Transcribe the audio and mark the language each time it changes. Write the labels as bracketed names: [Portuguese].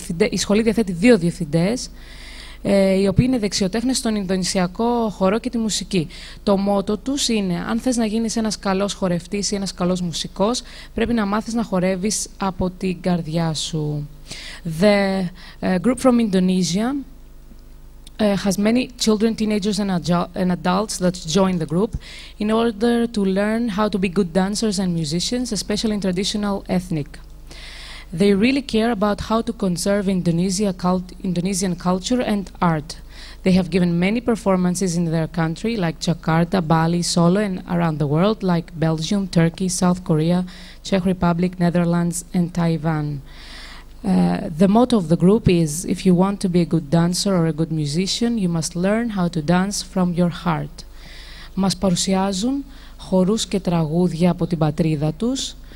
[Greek] Η σχολή διαθέτει δύο διευθυντές. Οι οποίοι είναι δεξιοτέχνες στον Ινδονησιακό χορό και τη μουσική. Το μότο τους είναι: αν θες να γίνεις ένας καλός χορευτής ή ένας καλός μουσικός, πρέπει να μάθεις να χορεύεις από την καρδιά σου. [English] The group from Indonesia has many children, teenagers and adults that join the group in order to learn how to be good dancers and musicians, especially in traditional ethnic. They really care about how to conserve Indonesian culture and art. They have given many performances in their country, like Jakarta, Bali, Solo, and around the world, like Belgium, Turkey, South Korea, Czech Republic, Netherlands, and Taiwan. The motto of the group is, if you want to be a good dancer or a good musician, you must learn how to dance from your heart. [Greek] Μας παρουσιάζουν χορούς και τραγούδια από την πατρίδα τους.